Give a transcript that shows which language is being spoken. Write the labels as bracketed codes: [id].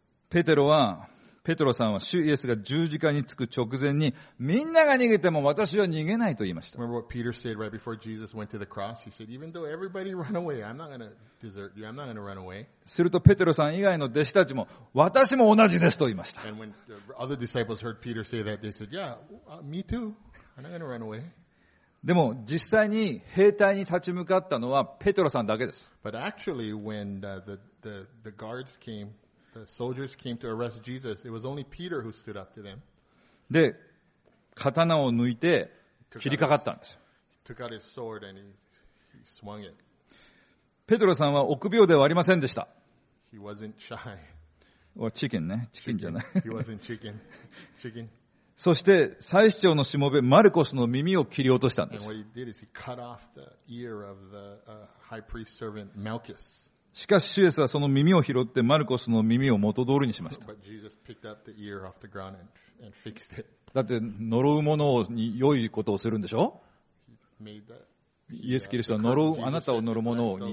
[ja] ペテロさんは主イエスが十字架につく直前にみんなが逃げても私は逃げないと言いました。 [en] Remember what Peter said right before Jesus went to the cross? He said, even though everybody run away, I'm not going to desert you. I'm not going to run away. [ja] するとペテロさん以外の弟子たちも私も同じですと言いました。 [en] And when the other disciples heard Peter say that, they said, yeah, me too. I'm not going to run away. [ja] でも実際に兵隊に立ち向かったのはペテロさんだけです。 [en] But actually, when the guards came,The soldiers came to arrest Jesus. It was only Peter who stood up to them. [ja] で、刀を抜いて切りかかったんです。 [en] He took out his sword and he swung it. [ja] ペトロさんは臆病ではありませんでした。 [en] He wasn't shy. Or chicken, ね。 [ja] チキンじゃない。 [en] He wasn't chicken. Chicken. [ja] そして、祭司長のしもべマルコスの耳を切り落としたんです。 [en] And what he did is he cut off the ear of the high priest servant Malchus. [ja] しかし、シエスはその耳を拾ってマルコスの耳を元通りにしました。 [en] But Jesus picked up the ear off the ground and fixed it. [ja] だって、呪うものに良いことをするんでしょ？イエス・キリストは呪う、あなたを呪うものに。